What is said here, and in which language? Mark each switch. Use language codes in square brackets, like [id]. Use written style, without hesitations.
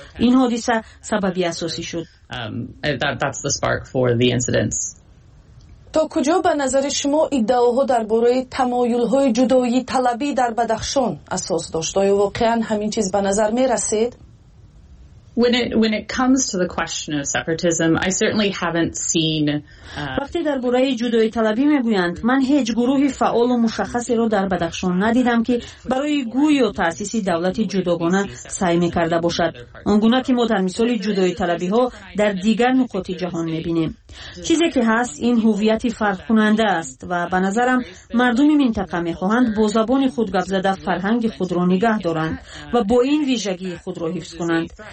[fa] این حادثه سببی اساسی شد. [en] That's the spark for the incidents. [fa] تا کجا به نظر شما ادعاها درباره تمایل‌های جدایی طلبی در بدخشان اساس داشت؟ آیا واقعا همین چیز به نظر می‌رسد؟ [en] When it comes to the question of separatism, I certainly haven't seen [fa] وقتی درباره جدایی طلبی میگویند من هیچ گروهی فعال و مشخصی را در بدخشان ندیدم که برای گویی و تأسیس دولت جداگانه سعی میکرده باشد، آنگونه که ما در مثال جدایی طلبی ها در دیگر نقاط جهان میبینیم. چیزی که هست این هویت فرق کننده است و به نظرم مردم منطقه میخواهند با زبان خود گپ زده فرهنگ خود را نگه دارند و با این ویژگی خود را حفظ کنند.